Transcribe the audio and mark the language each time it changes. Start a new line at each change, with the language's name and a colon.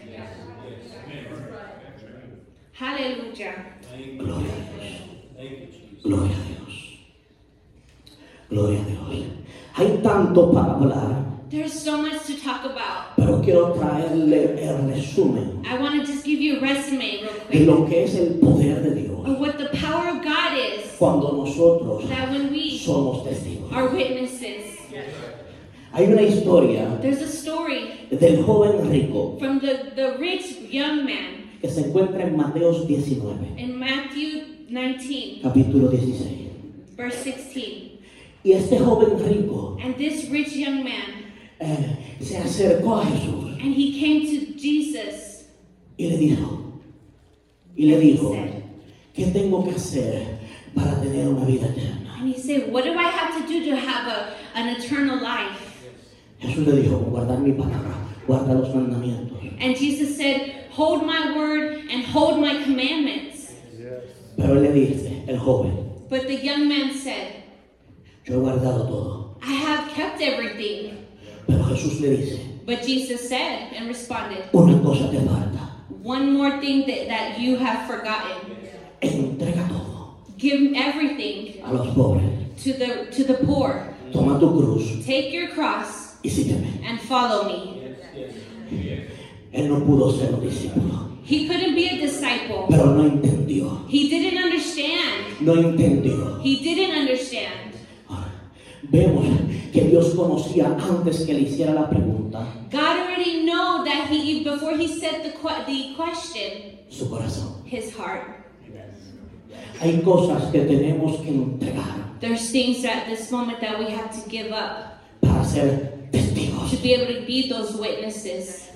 English: Yes. Hallelujah.
Spanish: Gloria a Dios. Gloria a Dios. Gloria a Dios. Hay tanto para hablar.
English: There's so much to talk about.
Spanish: Pero quiero traerle el resumen.
English: I want to just give you a resume real quick.
Spanish: De lo que es el poder de Dios.
English: Of what the power of God is.
Spanish: Cuando nosotros
English: that when we
Spanish: somos testigos.
English: Are witnesses.
Spanish: Hay una historia.
English: There's a story.
Spanish: Del joven rico.
English: From the rich young man.
Spanish: Que se encuentra en Mateo 19.
English: In Matthew 19.
Spanish: Capítulo 16.
English: Verse 16.
Spanish: Y este joven rico,
English: and this rich young man,
Spanish: se acercó a Jesús,
English: and he came to Jesus,
Spanish: y le dijo, said, ¿qué tengo que hacer para tener una vida eterna?
English: And he said, what do I have to do to have an eternal life? Yes.
Spanish: Jesús le dijo, guardar mi palabra, guarda los mandamientos.
English: And Jesus said, hold my word and hold my commandments.
Spanish: Yes. Pero le dice, el joven,
English: but the young man said,
Spanish: yo he guardado todo.
English: I have kept everything.
Spanish: Pero Jesús le dice,
English: but Jesus said and responded,
Spanish: una cosa te falta.
English: One more thing that you have forgotten.
Spanish: Entrega todo.
English: Give everything
Spanish: a los pobres.
English: To the poor.
Spanish: Toma tu cruz.
English: Take your cross.
Spanish: Y sígueme.
English: And follow me.
Spanish: Yes. Él no pudo ser un discípulo.
English: He couldn't be a disciple.
Spanish: Pero no entendió.
English: He didn't understand.
Spanish: No entendió.
English: He didn't understand.
Spanish: Vemos que Dios conocía antes que le hiciera la pregunta.
English: God already knew that he before he said the question.
Spanish: Su corazón.
English: His heart.
Spanish: Hay cosas que tenemos que entregar.
English: There's things that at this moment that we have to give up.
Spanish: Para ser testigos.
English: To be able to be those witnesses.